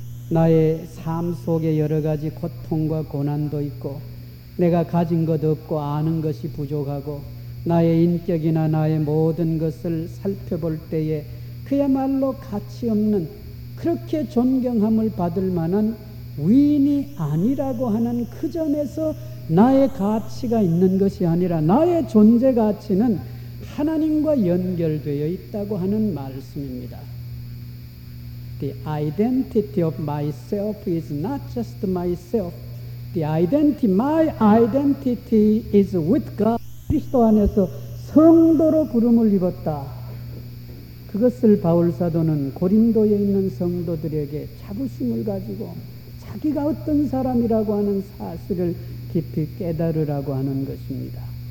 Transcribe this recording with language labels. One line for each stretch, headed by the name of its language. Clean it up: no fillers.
Korean: 나의 삶 속에 여러 가지 고통과 고난도 있고 내가 가진 것 없고 아는 것이 부족하고 나의 인격이나 나의 모든 것을 살펴볼 때에 그야말로 가치 없는 그렇게 존경함을 받을 만한 위인이 아니라고 하는 그 점에서 나의 가치가 있는 것이 아니라 나의 존재 가치는 하나님과 연결되어 있다고 하는 말씀입니다.
English: The identity of myself is not just myself. The identity, my identity is with God.
Korean: 그리스도 안에서 성도로 부름을 입었다. 그것을 바울사도는 고린도에 있는 성도들에게 자부심을 가지고 자기가 어떤 사람이라고 하는 사실을 깊이 깨달으라고 하는 것입니다.